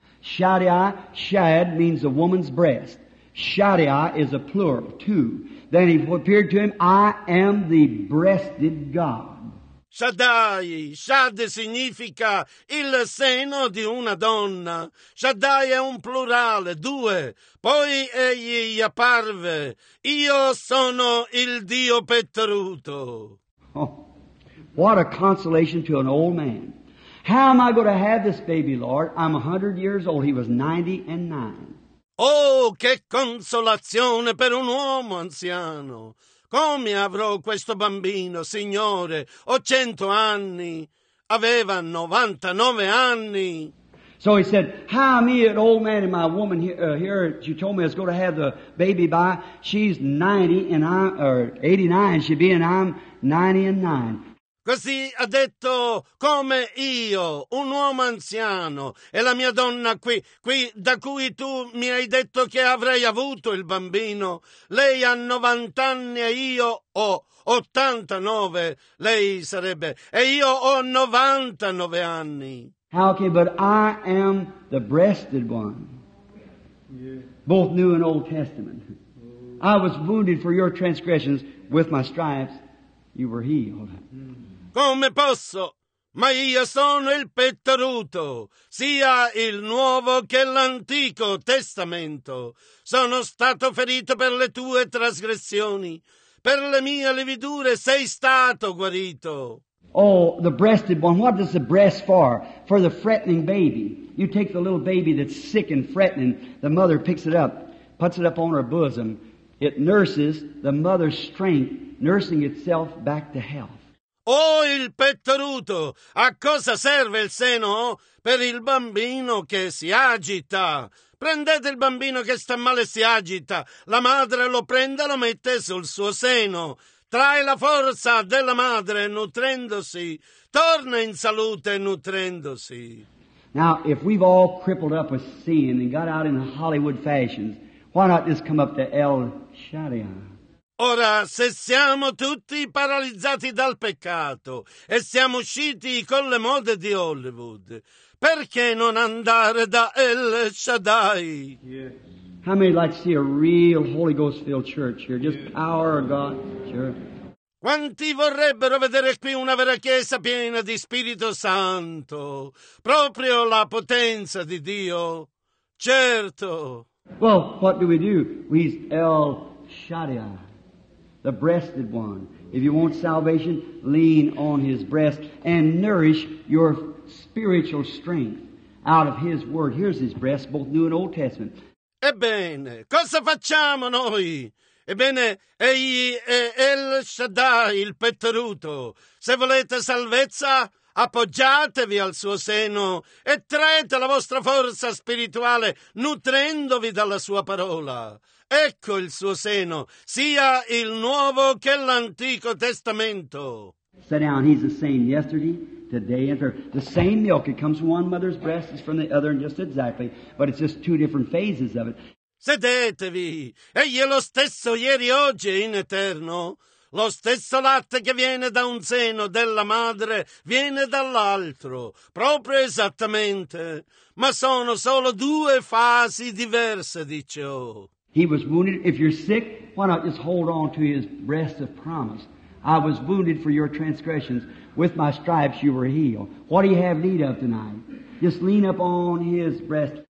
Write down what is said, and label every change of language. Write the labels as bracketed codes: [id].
[en] Shaddai, Shad means the woman's breast. Shaddai is a plural, too. Then he appeared to him, I am the breasted God. [it] Shaddai, Shad significa il seno di una donna. Shaddai è un plurale, due. Poi egli gli apparve, io sono il Dio Petruto. [en] Oh, what a consolation to an old man. How am I going to have this baby, Lord? I'm 100 years old. He was 99. [it] Oh, che consolazione per un uomo anziano. Come avrò questo bambino, Signore? Ho 100 anni. Aveva 99 anni. [en] So he said, "How me, an old man, and my woman here you told me I was going to have the baby by. She's 90 and I'm, or 89 she'd be, and I'm 99. [it] Così ha detto, come io, un uomo anziano, e la mia donna qui da cui tu mi hai detto che avrei avuto il bambino, lei ha 90 anni e io ho 89, lei sarebbe, e io ho 99 anni. [en] Okay, but I am the breasted one, both New and Old Testament. I was wounded for your transgressions, with my stripes you were healed. [it] Come posso? Ma io sono il pettoruto, sia il Nuovo che l'Antico Testamento. Sono stato ferito per le tue trasgressioni, per le mie lividure sei stato guarito. [en] Oh, the breasted one, what does the breast for? For the fretting baby. You take the little baby that's sick and fretting, the mother picks it up, puts it up on her bosom. It nurses the mother's strength, nursing itself back to health. [it] Oh, il pettoruto, a cosa serve il seno? Per il bambino che si agita. Prendete il bambino che sta male e si agita. La madre lo prende e lo mette sul suo seno. Trae la forza della madre nutrendosi. Torna in salute nutrendosi. [en] Now, if we've all crippled up with sin and got out in Hollywood fashions, why not just come up to El Shaddai? [it] Ora, se siamo tutti paralizzati dal peccato e siamo usciti con le mode di Hollywood, perché non andare da El Shaddai? [en] How many like to see a real Holy Ghost filled church here? Just power of God. Sure. [it] Quanti vorrebbero vedere qui una vera chiesa piena di Spirito Santo? Proprio la potenza di Dio? Certo. [en] Well, what do? We El Shaddai. The breasted one. If you want salvation, lean on his breast and nourish your spiritual strength out of his word. Here's his breast, both New and Old Testament. [it] Ebbene, cosa facciamo noi? Ebbene, egli è El Shaddai, il pettoruto. Se volete salvezza, appoggiatevi al suo seno e traete la vostra forza spirituale nutrendovi dalla sua parola. Ecco il suo seno, sia il Nuovo che l'Antico Testamento. [en] Sit down, he's the same yesterday, today, and forever. The same milk, it comes from one mother's breast, it's from the other, and just exactly, but it's just two different phases of it. [it] Sedetevi, egli è lo stesso ieri, oggi e in eterno. Lo stesso latte che viene da un seno della madre viene dall'altro, proprio esattamente, ma sono solo due fasi diverse di ciò. [en] He was wounded. If you're sick, why not just hold on to his breast of promise? I was wounded for your transgressions. With my stripes you were healed. What do you have need of tonight? Just lean up on his breast.